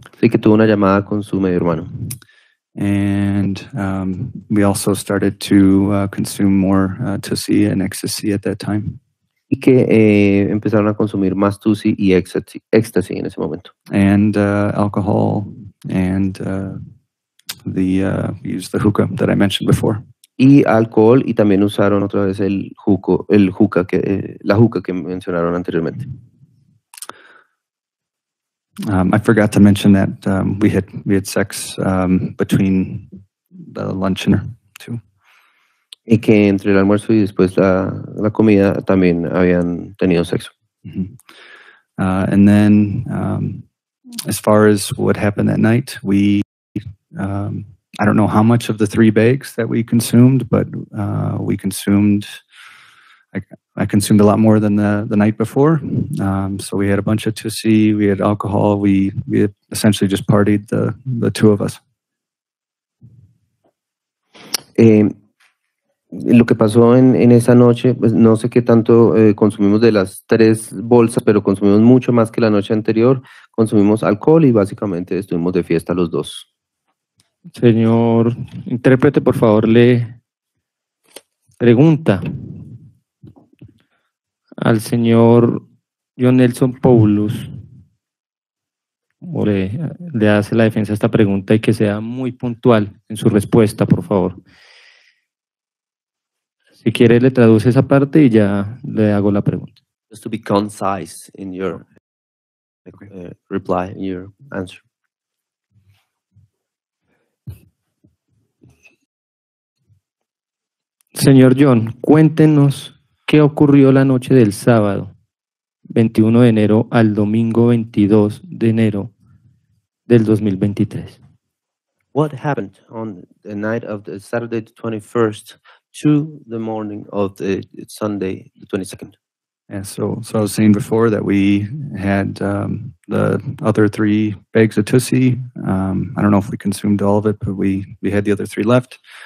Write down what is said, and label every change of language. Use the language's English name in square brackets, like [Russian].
[Spanish] Sí, que tuvo una llamada con su medio hermano. [English] And we also started to consume more Tusi and ecstasy at that time. [Spanish] Y que empezaron a consumir más Tusi y ecstasy en ese momento. [English] And alcohol and we used the hookah that I mentioned before. [Spanish] Y alcohol y también usaron otra vez la hookah que mencionaron anteriormente. [English] I forgot to mention that we had sex between the lunch and two. [Spanish] Y que entre el almuerzo y después la comida también habían tenido sexo. Mm-hmm. [English] And then as far as what happened that night, we I don't know how much of the three bags that we consumed, but we consumed. I consumed a lot more than the night before. So we had a bunch of Tusi, we had alcohol, we essentially just partied the two of us. [Spanish] Lo que pasó en esa noche, pues no sé qué tanto consumimos de las tres bolsas, pero consumimos mucho más que la noche anterior. Consumimos alcohol y básicamente estuvimos de fiesta los dos. Señor intérprete, por favor, le pregunta al señor John Nelson Poulos, le hace la defensa a esta pregunta y que sea muy puntual en su respuesta, por favor. Si quiere, le traduce esa parte y ya le hago la pregunta. [English] Just to be concise in your reply, in your answer. [Spanish] Señor John, cuéntenos qué ocurrió la noche del sábado 21 de enero al domingo 22 de enero del 2023. [English] What happened on the night of the Saturday the 21st to the morning of the Sunday the 22nd? And so I was saying before that we had the other three bags of Tusi. I don't know if we consumed all of it, but we had the other three left.